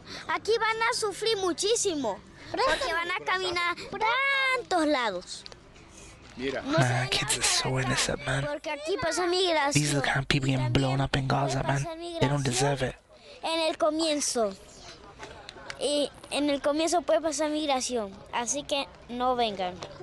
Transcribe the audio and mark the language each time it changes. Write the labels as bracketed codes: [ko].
[es] Aquí van a sufrir, muchísimo, porque van a caminar tantos lados. [en] Mira, no man, kids are so innocent, man. [es] Porque aquí pasa migración. [en] These are the kind of people getting blown up in Gaza, man. They don't deserve it. [es] En el comienzo, y en el comienzo puede pasar migración, así que no vengan.